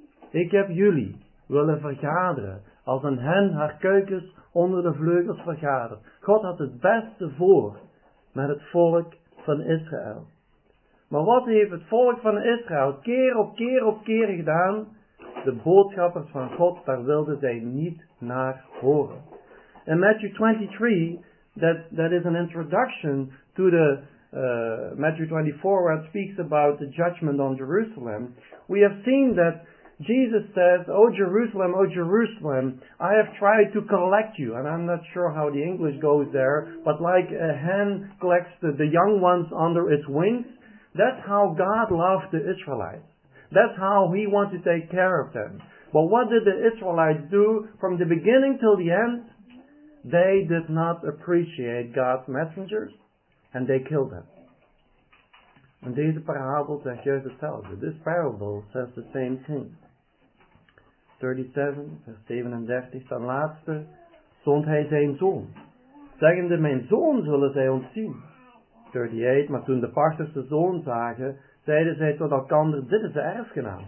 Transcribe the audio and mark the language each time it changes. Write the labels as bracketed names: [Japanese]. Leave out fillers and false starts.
[Dutch] Ik heb jullie willen vergaderen, als een hen haar kuikens onder de vleugels vergadert. God had het beste voor met het volk van Israël. Maar wat heeft het volk van Israël keer op keer op keer gedaan? De boodschappers van God, daar wilden zij niet naar horen. [English] In Matthew 23, that is an introduction to the Matthew 24, where it speaks about the judgment on Jerusalem. We have seen that Jesus says, O Jerusalem, O Jerusalem, I have tried to collect you. And I'm not sure how the English goes there, but like a hen collects the young ones under its wings, that's how God loved the Israelites. That's how he wanted to take care of them. But what did the Israelites do from the beginning till the end? They did not appreciate God's messengers and they killed them. And [Dutch] deze parable zegt juist hetzelfde. [English] This parable says the same thing. [Dutch] 37, vers 37, ten laatste, zond hij zijn zoon. Zeggende, mijn zoon zullen zij ontzien. 38, maar toen de pachters de zoon zagen, zeiden zij tot elkander, dit is de erfgenaam.